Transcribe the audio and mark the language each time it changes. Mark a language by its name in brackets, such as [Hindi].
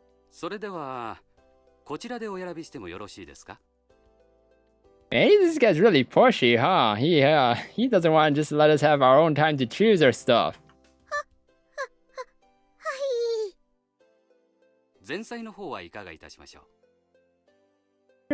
[Japanese] それでは、こちらでお選びしてもよろしいですか? [English] Hey, this guy's really pushy, huh? He doesn't want to just let us have our own time to choose our stuff. [Japanese] はい。前菜の方はいかがいたしましょう?